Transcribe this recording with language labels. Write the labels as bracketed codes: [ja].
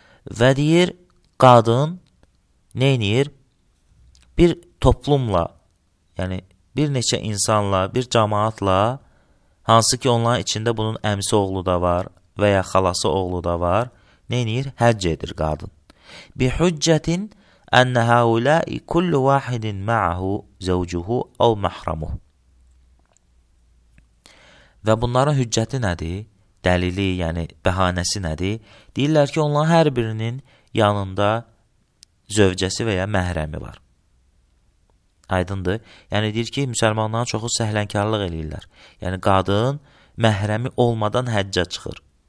[az] Və deyir, qadın neynir? Bir toplumla, yəni bir neçə insanla, bir cəmaatla, hansı ki onların içində bunun əmsi oğlu da var və ya xalası oğlu da var, neynir? Həcc edir qadın. [ar] بِحُجَّةٍ أن هؤلاء كل واحد معه زوجه أو محرمه. [az] Və bunların hüccəti nədir? Dəlili, yəni bəhanəsi nədir? Deyirlər ki, onların hər birinin yanında zövcəsi və ya məhrəmi var. Aydındır. Yəni deyir ki, müsəlmanların çoxu səhlənkarlıq eləyirlər. Yəni qadın məhrəmi olmadan həccə çıxır.